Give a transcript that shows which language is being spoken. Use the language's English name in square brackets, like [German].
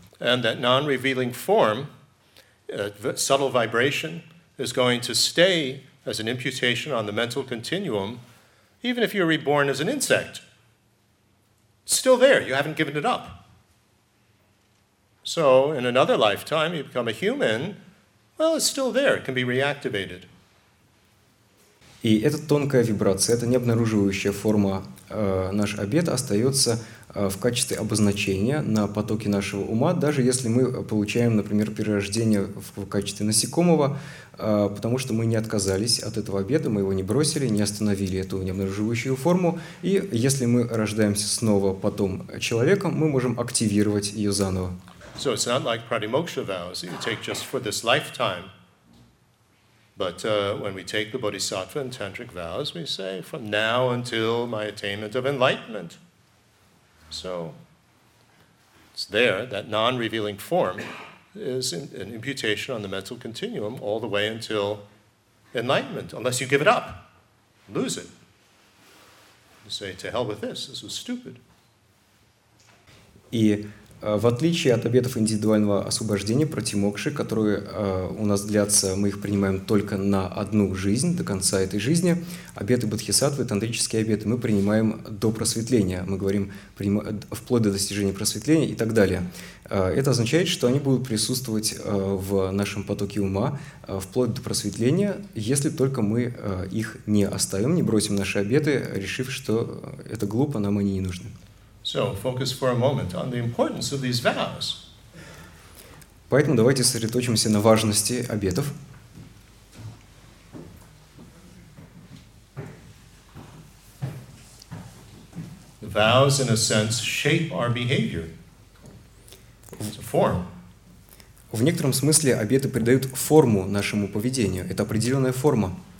[English] And that non-revealing form, subtle vibration, is going to stay as an imputation on the mental continuum, even if you're reborn as an insect. It's still there, you haven't given it up. So, in another lifetime, you become a human, well, it's still there, it can be reactivated. [Russian] И эта тонкая вибрация, эта необнаруживающая форма наш обет остается в качестве обозначения на потоке нашего ума, даже если мы получаем, например, перерождение в качестве насекомого, потому что мы не отказались от этого обета, мы его не бросили, не остановили эту необнаруживающую форму. И если мы рождаемся снова потом человеком, мы можем активировать ее заново. [English] So it's not like pratimoksha vows that you take just for this lifetime. But when we take the bodhisattva and tantric vows, we say, from now until my attainment of enlightenment. So it's there, that non-revealing form is an imputation on the mental continuum all the way until enlightenment, unless you give it up, lose it. You say, to hell with this, this was stupid. Yeah. [Russian] В отличие от обетов индивидуального освобождения, пратимокши, которые у нас длятся, мы их принимаем только на одну жизнь, до конца этой жизни, обеты бодхисаттвы, тантрические обеты, мы принимаем до просветления, мы говорим вплоть до достижения просветления и так далее. Это означает, что они будут присутствовать в нашем потоке ума вплоть до просветления, если только мы их не оставим, не бросим наши обеты, решив, что это глупо, нам они не нужны. [English] So, focus for a moment on the importance of these vows. [Russian] Поэтому давайте сосредоточимся на важности обетов. [English] The vows, in a sense, shape our behavior. It's a form. [Russian] В некотором смысле обеты придают форму нашему поведению. Это определенная форма.